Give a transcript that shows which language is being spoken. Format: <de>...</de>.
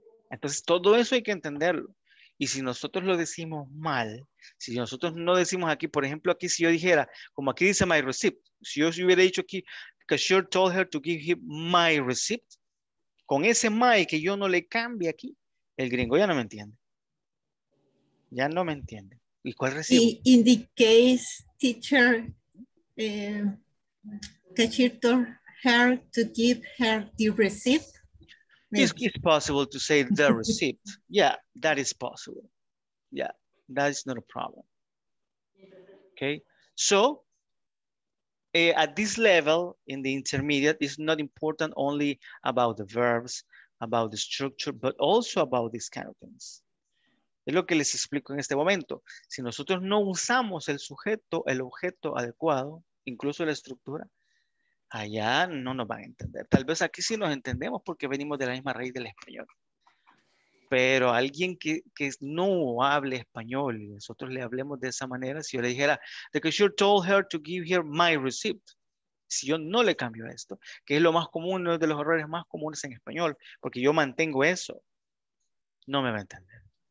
<es>Entonces, todo eso hay que entenderlo. Y si nosotros lo decimos mal, si nosotros no decimos aquí, por ejemplo, aquí si yo dijera, como aquí dice my receipt, si yo hubiera dicho aquí,</es> <en>cashier told her to give him my receipt,</en> <es>con ese my que yo no le cambie aquí, el gringo ya no me entiende. Ya no me entiende. ¿Y cuál recibo?</es> <en>In the case, teacher, cashier told her to give her the receipt. It's possible to say the receipt. Yeah, that is possible. Yeah, that is not a problem. Okay, so at this level, in the intermediate, it's not important only about the verbs, about the structure, but also about these kind of things.</en> <es>Es lo que les explico en este momento. Si nosotros no usamos el sujeto, el objeto adecuado, incluso la estructura, allá no nos van a entender. Tal vez aquí sí nos entendemos porque venimos de la misma raíz del español. Pero alguien que no hable español y nosotros le hablemos de esa manera, si yo le dijera,</es> <en>the cashier told her to give her my receipt,</en> <es>si yo no le cambio esto, que es lo más común, uno de los errores más comunes en español, porque yo mantengo eso, no me va a entender.</es>